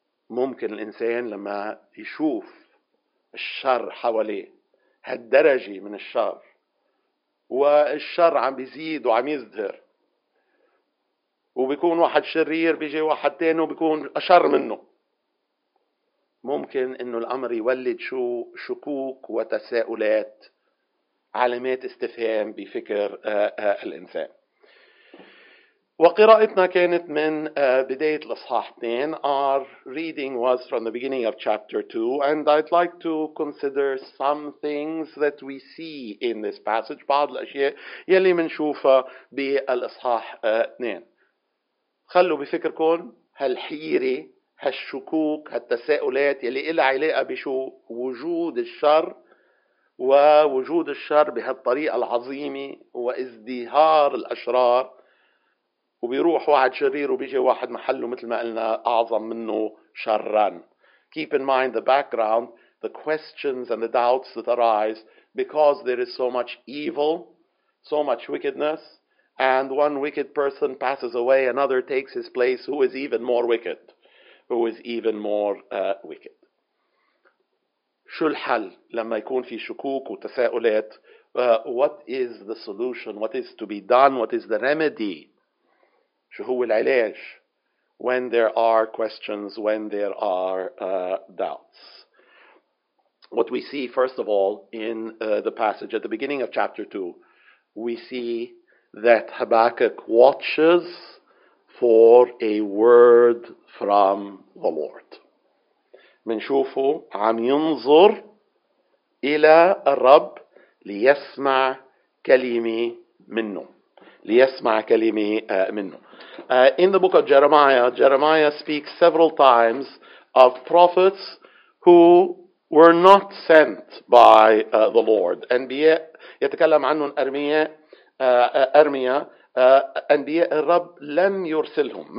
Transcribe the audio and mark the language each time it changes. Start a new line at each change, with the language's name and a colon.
Arabic: ممكن الإنسان لما يشوف الشر حواليه هالدرجة من الشر والشر عم بيزيد وعم يزدهر وبيكون واحد شرير بيجي واحد تاني وبيكون أشر منه ممكن إنه الأمر يولد شو شكوك وتساؤلات علامات استفهام بفكر الإنسان. وقراءتنا كانت من بداية الإصحاح 2.
English: Our reading was from the beginning of chapter 2, and I'd like to consider some things that we see in this passage.
Arabic: بعض الأشياء يلي منشوفها بالإصحاح 2. خلوا بفكركم هالحيرة هالشكوك هالتساؤلات يلي إلها علاقة بشو وجود الشر ووجود الشر بهالطريقة العظيمة وازدهار الأشرار وبيروح واحد شرير وبيجي واحد محله مثل ما قلنا أعظم منه شراً.
English: Keep in mind the background, the questions and the doubts that arise because there is so much evil, so much wickedness, and one wicked person passes away, another takes his place, who is even more wicked, who is even more wicked.
Arabic: شو الحل لما يكون في شكوك وتساؤلات؟
English: What is the solution? What is to be done? What is the remedy?
Arabic: شو هو العلاج
English: when there are questions, when there are doubts. What we see, first of all, in the passage at the beginning of chapter 2, we see that Habakkuk watches for a word from the Lord.
Arabic: منشوفه عم ينظر إلى الرب ليسمع كلمة منه. ليسمع كلمة منه.
English: In the book of Jeremiah, Jeremiah speaks several times of prophets who were not sent by the Lord.
Arabic: أنبياء يتكلم عنهم أرمياء أرمياء أنبياء الرب لم يرسلهم.